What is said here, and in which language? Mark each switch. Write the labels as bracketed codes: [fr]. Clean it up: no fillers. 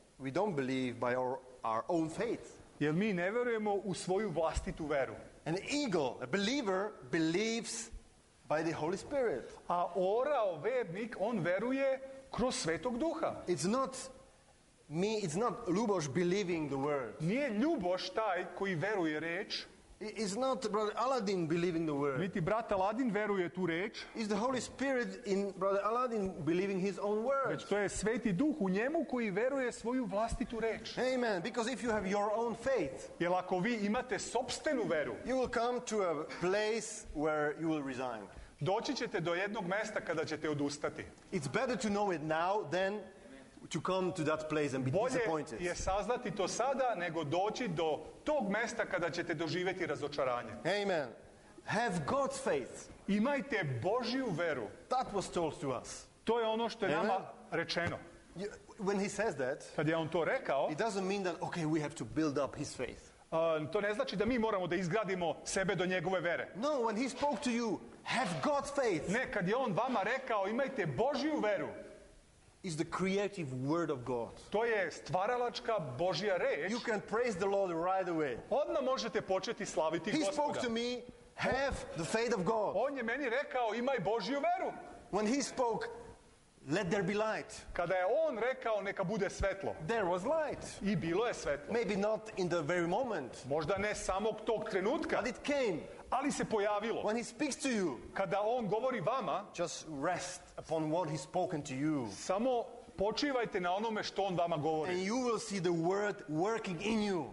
[en] We don't believe by our own faith. [sr] Jel mi ne verujemo u svoju vlastitu veru? [en] An eagle, a believer, believes by the Holy Spirit. [sr] A orao vernik, on veruje kroz Svetog Duha. [en] It's not Luboš believing the word. [sr] Nije Luboš taj koji veruje reč. [en] It's not Brother Aladdin believing the word. [sr] Niti brat Aladdin veruje tu reč. [en] It's the Holy Spirit in Brother Aladdin believing his own word. [sr] Već to je Sveti Duh u njemu koji veruje svoju vlastitu reč. [en] Amen. Because if you have your own faith, [sr] jer ako vi imate sopstvenu veru, [en] you will come to a place where you will resign. [sr] Doći ćete do jednog mesta kada ćete odustati. [en] It's better to know it now than to come to that place and be [sr] bolje [en] disappointed. [sr] Bolje je saznati to sada nego doći do tog mesta kada ćete doživjeti razočaranje. [en] Amen. Have God's faith. [sr] Imajte Božju veru. [en] That was told to us. [sr] To je ono što je nama rečeno. [en] When he says that, [sr] kad je on to rekao, [en] it doesn't mean that okay, we have to build up his faith. [sr] To ne znači da mi moramo da izgradimo sebe do njegove vere. [en] No, when he spoke to you, have God's faith. [sr] Ne, kad je on vama rekao imajte Božju veru. [en] Is the creative word of God. [sr] To je stvaralačka Božja reč. [en] You can praise the Lord right away. [sr] Odmah možete početi slaviti Gospoda. [en] He spoke to me, have the faith of God. [sr] On je meni rekao imaj Božju veru. [en] When he spoke, let there be light. [sr] Kada je on rekao neka bude svetlo. [en] There was light. [sr] I bilo je svetlo. [en] Maybe not in the very moment. [sr] Možda ne samog tog trenutka. [en] But it came. [sr] Ali se pojavilo. [en] When he speaks to you, [sr] kada on govori vama, [en] just rest upon what he's spoken to you. [sr] Samo počivajte na onome što on vama govori. [en] And you will see the word working in you.